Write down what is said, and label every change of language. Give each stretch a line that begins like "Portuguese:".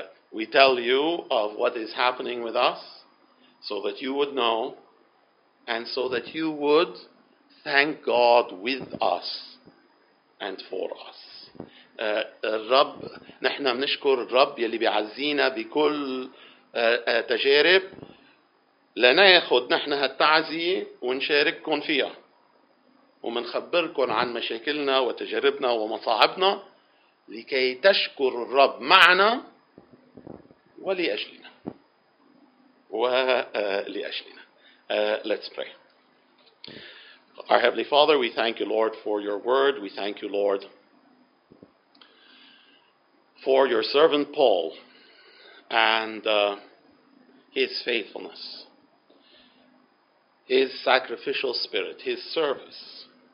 English: We tell you of what is happening with us so that you would know and so that you would thank God with us and for us.
Arabic: الرب نحن بنشكر الرب يلي بيعزينا بكل تجارب لناخذ نحن هالتعزية ونشارككم فيها ومنخبركم عن مشاكلنا وتجاربنا ومصاعبنا لكي تشكر الرب معنا ولأجلنا ولأجلنا.
English: Let's pray. Our Heavenly Father, we thank you, Lord, for your word. We thank you, Lord, for your servant Paul and his faithfulness, his sacrificial spirit, his service.